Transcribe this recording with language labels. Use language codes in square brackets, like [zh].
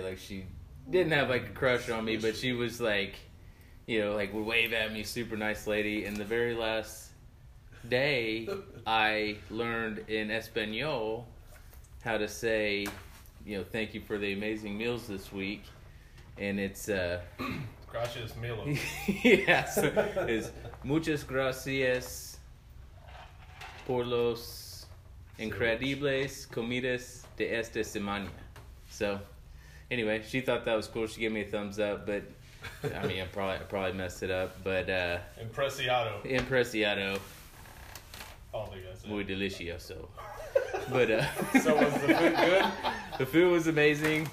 [en] Like, she didn't have, a crush on me, but she was, would wave at me, super nice lady. And the very last day, I learned in Espanol how to say, thank you for the amazing meals this week. And it's, [es] Gracias, Milo. [en] Yes. [es] It's muchas gracias por los increíbles comidas de esta semana. [en] So, anyway, she thought that was cool. She gave me a thumbs up, but, I probably messed it up. But, Impresiado. [es] Muy delicioso. But, [en] So was the food good? The food was amazing.